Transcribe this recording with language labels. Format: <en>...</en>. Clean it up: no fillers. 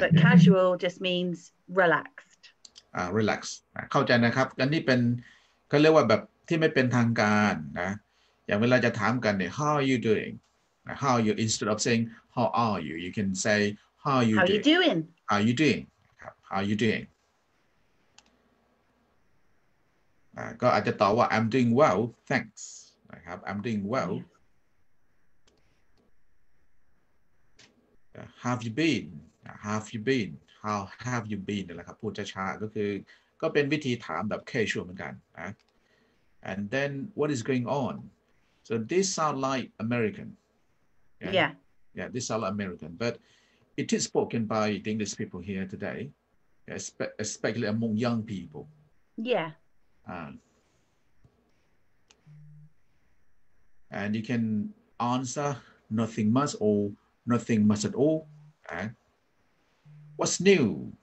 <en>But casual just means relaxed. Relax</en> <th>เข้าใจนะครับอันนี้เป็นเขาเรียกว่าแบบที่ไม่เป็นทางการนะอย่างเวลาจะถามกันเนี่ย</th> <en>how are you doing how are you instead of saying how are you can say how are you doing ครับ how are you doing</en> <th>ก็อาจจะตอบว่า</th> <en>I'm doing well thanks นะครับ I'm doing well have you been How have you been</en> <th>นี่แหละครับพูดช้าๆก็คือก็เป็นวิธีถามแบบ</th> <en>casual</en> <th>เหมือนกันนะ</th> <en>And then what is going on So this sound like American Yeah this sound like American but it is spoken by the English people here today especially among young people Yeah And you can answer nothing much or nothing much at all What's new?</en>